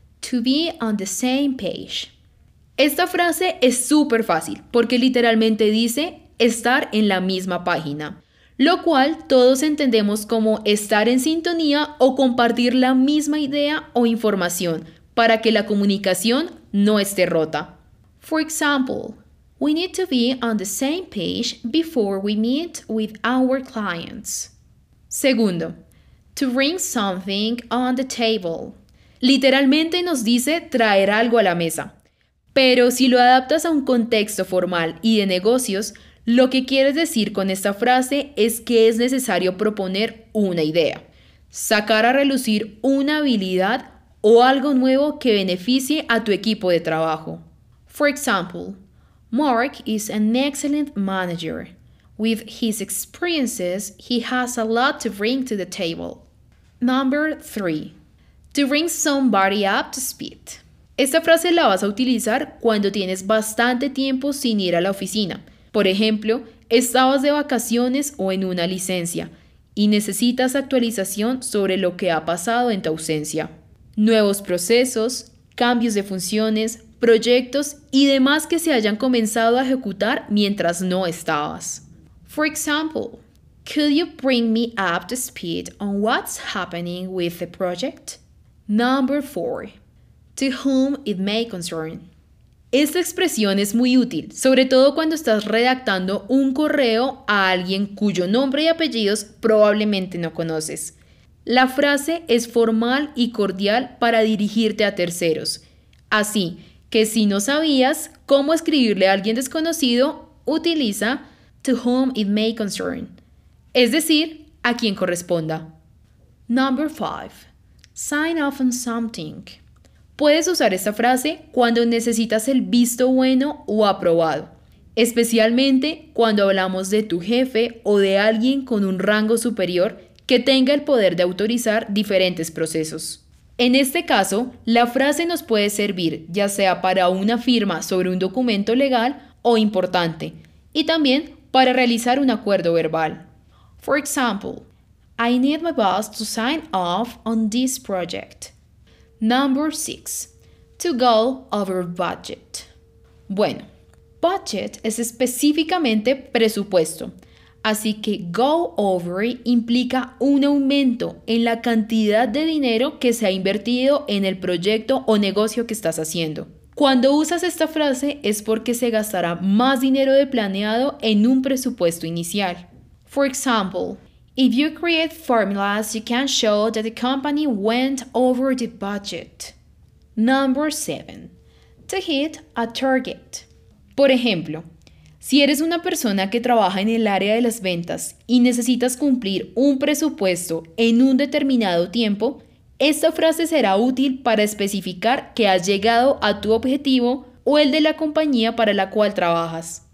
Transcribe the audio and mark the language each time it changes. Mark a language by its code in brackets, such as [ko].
[en] To be on the same page. [es] Esta frase es súper fácil porque literalmente dice estar en la misma página, lo cual todos entendemos como estar en sintonía o compartir la misma idea o información para que la comunicación no esté rota. [en] For example, we need to be on the same page before we meet with our clients. [es] Segundo, [en] to bring something on the table. [es] Literalmente nos dice traer algo a la mesa. Pero si lo adaptas a un contexto formal y de negocios, lo que quieres decir con esta frase es que es necesario proponer una idea, sacar a relucir una habilidad o algo nuevo que beneficie a tu equipo de trabajo. [en] For example, Mark is an excellent manager. With his experiences, he has a lot to bring to the table. Number 3. To bring somebody up to speed. [es] Esta frase la vas a utilizar cuando tienes bastante tiempo sin ir a la oficina. Por ejemplo, estabas de vacaciones o en una licencia y necesitas actualización sobre lo que ha pasado en tu ausencia. Nuevos procesos, cambios de funciones, proyectos y demás que se hayan comenzado a ejecutar mientras no estabas. [en] For example, could you bring me up to speed on what's happening with the project? Number 4. To whom it may concern. [es] Esta expresión es muy útil, sobre todo cuando estás redactando un correo a alguien cuyo nombre y apellidos probablemente no conoces. La frase es formal y cordial para dirigirte a terceros. Así que si no sabías cómo escribirle a alguien desconocido, utiliza [en] to whom it may concern, [es] es decir, a quien corresponda. [en] Number 5. Sign off on something. [es] Puedes usar esta frase cuando necesitas el visto bueno o aprobado, especialmente cuando hablamos de tu jefe o de alguien con un rango superior que tenga el poder de autorizar diferentes procesos. En este caso, la frase nos puede servir ya sea para una firma sobre un documento legal o importante, y también para realizar un acuerdo verbal. [en] For example, I need my boss to sign off on this project. Number 6. To go over budget. [es] Bueno, budget es específicamente presupuesto, así que go over implica un aumento en la cantidad de dinero que se ha invertido en el proyecto o negocio que estás haciendo. Cuando usas esta frase es porque se gastará más dinero de planeado en un presupuesto inicial. [en] For example, if you create formulas, you can show that the company went over the budget. Number 7. To hit a target. [es] Por ejemplo, si eres una persona que trabaja en el área de las ventas y necesitas cumplir un presupuesto en un determinado tiempo, esta frase será útil para especificar que has llegado a tu objetivo o el de la compañía para la cual trabajas.